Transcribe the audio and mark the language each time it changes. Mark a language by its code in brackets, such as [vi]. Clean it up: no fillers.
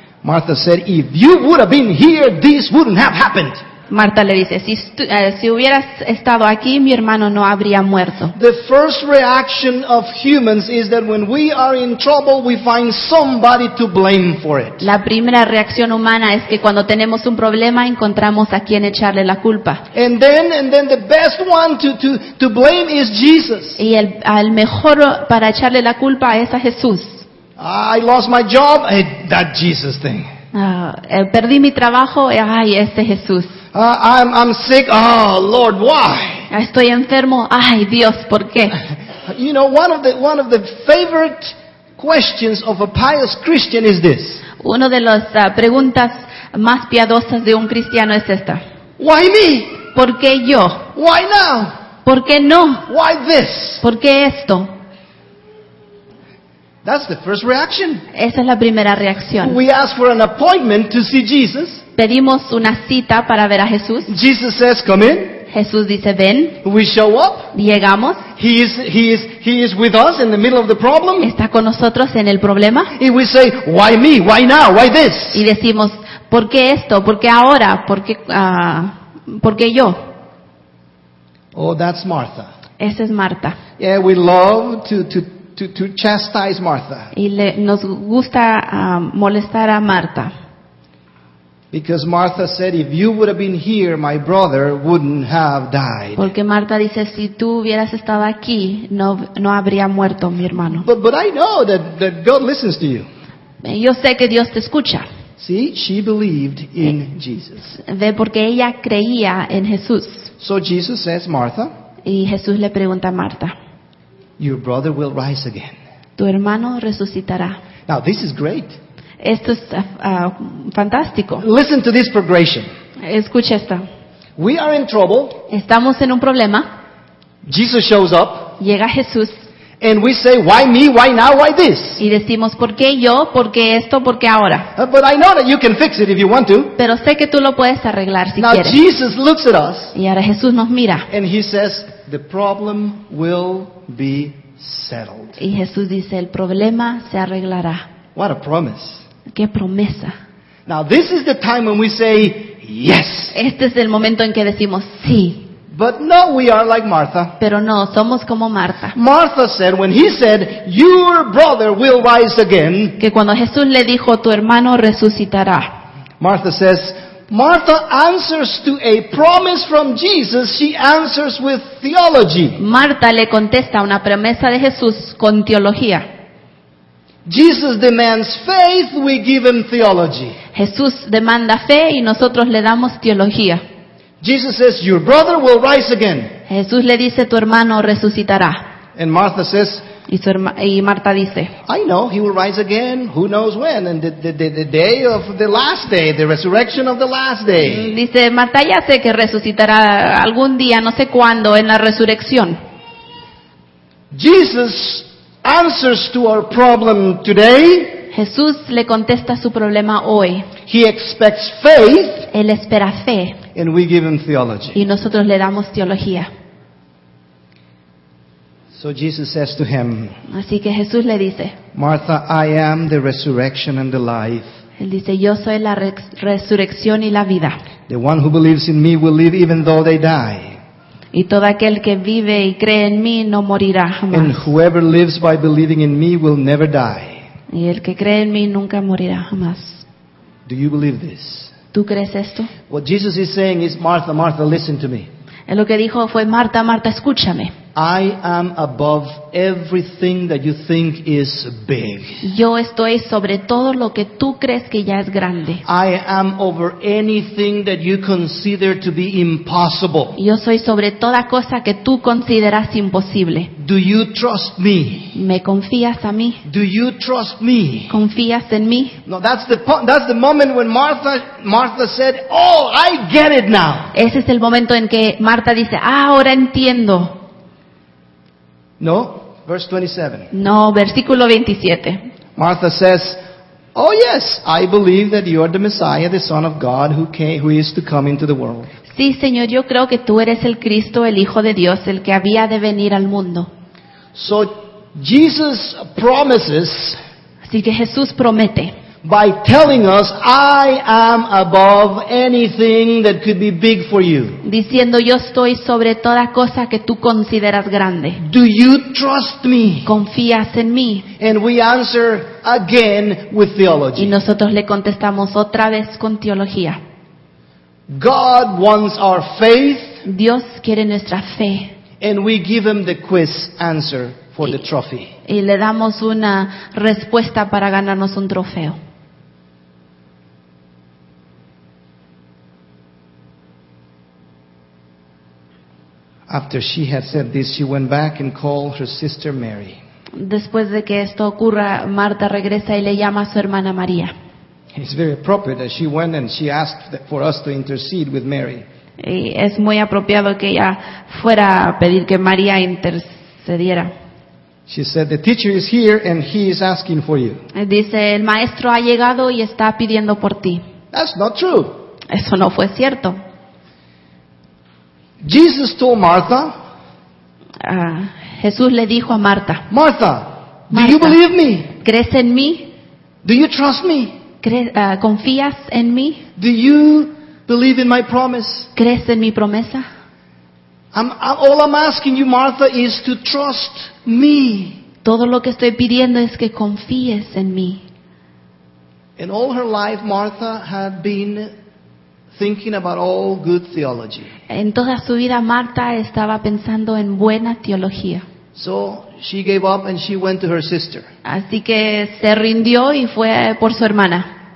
[en] Martha said, if you would have been here, this wouldn't have happened. [es] Marta le dice, si hubieras estado aquí, mi hermano no habría muerto. [en] The first reaction of humans is that when we are in trouble, we find somebody to blame for it. [es] La primera reacción humana es que cuando tenemos un problema, encontramos a quien echarle la culpa. [en] And then the best one to blame is Jesus. [es] Y el mejor para echarle la culpa es a Jesús. [en] I lost my job, that Jesus thing. [es] Perdí mi trabajo, ay, ese Jesús. [en] I'm sick. Oh Lord, why? [es] Estoy enfermo. Ay Dios, ¿por qué? [en] You know, one of the favorite questions of a pious Christian is this. [es] Una de las preguntas más piadosas de un cristiano es esta. [en] Why me? [es] ¿Por qué yo? [en] Why now? [es] ¿Por qué no? [en] Why this? [es] ¿Por qué esto? [en] That's the first reaction. [es] Esa es la primera reacción. [en] We ask for an appointment to see Jesus. [es] Pedimos una cita para ver a Jesús. [en] Jesus says, come in. [es] Jesús dice, ven. [en] We show up. [es] Llegamos. [en] He is with us in the middle of the problem. [es] Está con nosotros en el problema. [en] And we say, why me? Why now? Why this? [es] Y decimos, ¿por qué esto? ¿Por qué ahora? ¿Por qué yo? [en] Oh, that's Martha. [es] Esa es Marta. [en] Yeah, we love to chastise Martha. [es] Y nos gusta molestar a Marta. [en] Because Martha said, if you would have been here, my brother wouldn't have died. [es] Porque Marta dice, si tú hubieras estado aquí, no habría muerto mi hermano. [en] But I know that God listens to you. [es] Yo sé que Dios te escucha. [en] See, she believed in Jesus. [es] Ve, porque ella creía en Jesús. [en] So Jesus says, Martha, [es] y Jesús le pregunta a Marta, [en] your brother will rise again. [es] Tu hermano resucitará. [en] Now, this is great. [es] Esto es fantástico. [en] Listen to this progression. [es] Escucha esto. [en] We are in trouble. [es] Estamos en un problema. [en] Jesus shows up. [es] Llega Jesús. [en] And we say, why me? Why now? Why this? [es] Y decimos, ¿por qué yo? ¿Por qué esto? ¿Por qué ahora? [en] But I know that you can fix it if you want to. [es] Pero sé que tú lo puedes arreglar si quieres. [en] Now Jesus looks at us. [es] Y ahora Jesús nos mira. [en] And he says, the problem will be settled. [es] Y Jesús dice, el problema se arreglará. [en] What a promise. [es] Qué promesa. [en] Now this is the time when we say yes. [es] Este es el momento en que decimos sí. [en] But no, we are like Martha. [es] Pero no, somos como Marta. [en] Martha said when he said your brother will rise again. [es] Que cuando Jesús le dijo tu hermano resucitará. [en] Martha says, Martha answers to a promise from Jesus, she answers with theology. [es] Marta le contesta una promesa de Jesús con teología. [en] Jesus demands faith, we give him theology. [es] Jesús demanda fe y nosotros le damos teología. [en] Jesus says, your brother will rise again. [es] Jesús le dice, tu hermano resucitará. [en] And Martha says, [es] y Marta dice, [en] I know, he will rise again, who knows when, and the day of the last day, the resurrection of the last day. [es] Dice, Marta, ya sé que resucitará algún día, no sé cuándo, en la resurrección. [en] Jesus answers to our problem today. [es] Jesús le contesta su problema hoy. [en] He expects faith. [es] Él espera fe. [en] And we give him theology. [es] Y nosotros le damos teología. [en] So Jesus says to him, [es] así que Jesús le dice, [en] Martha, I am the resurrection and the life. [es] Él dice, yo soy la resurrección y la vida. [en] The one who believes in me will live even though they die. [es] Y todo aquel que vive y cree en mí no morirá jamás. [en] And whoever lives by believing in me will never die. [es] Y el que cree en mí nunca morirá jamás. [en] Do you believe this? [es] ¿Tú crees esto? [en] What Jesus is saying is, Martha, Martha, listen to me. [es] Él lo que dijo fue, Marta, Marta, escúchame. [en] I am above everything that you think is big. [es] Yo estoy sobre todo lo que tú crees que ya es grande. [en] I am over anything that you consider to be impossible. [es] Yo soy sobre toda cosa que tú consideras imposible. [en] Do you trust me? [es] ¿Me confías a mí? [en] Do you trust me? [es] ¿Confías en mí? [en] No, that's the moment when Martha said, "Oh, I get it now." [es] Ese es el momento en que Marta dice, "Ah, ahora entiendo." [en] No, verse 27. [es] No, versículo 27. [en] Martha says, "Oh yes, I believe that you are the Messiah, the Son of God, who is to come into the world." [es] Sí, Señor, yo creo que tú eres el Cristo, el Hijo de Dios, el que había de venir al mundo. [en] So Jesus promises. [es] Así que Jesús promete. [en] By telling us, I am above anything that could be big for you. [es] Diciendo, yo estoy sobre toda cosa que tú consideras grande. [en] Do you trust me? [es] ¿Confías en mí? [en] And we answer again with theology. [es] Y nosotros le contestamos otra vez con teología. [en] God wants our faith. [es] Dios quiere nuestra fe. [en] And we give him the quiz answer. For the trophy. [es] Y le damos una respuesta para ganarnos un trofeo. [en] After she had said this, she went back and called her sister Mary. [es] Después de que esto ocurra, Marta regresa y le llama a su hermana María. [en] It's very appropriate that she went and she asked for us to intercede with Mary. [es] Y es muy apropiado que ella fuera a pedir que María intercediera. [en] She said, "The teacher is here, and he is asking for you." [es] Dice, el maestro ha llegado y está pidiendo por ti. [en] That's not true. [es] Eso no fue cierto. [en] Jesus told Martha. [es] Jesús le dijo a Marta. [en] Martha, do you believe me? [es] ¿Crees en mí? [en] Do you trust me? [es] ¿Confías en mí? [en] Do you believe in my promise? [es] ¿Crees en mi promesa? [en] All I'm asking you, Martha, is to trust me. [es] Todo lo que estoy pidiendo es que confíes en mí. [en] In all her life, Martha had been thinking about all good theology. [es] En toda su vida, Marta estaba pensando en buena teología. [en] So she gave up and she went to her sister. [es] Así que se rindió y fue por su hermana.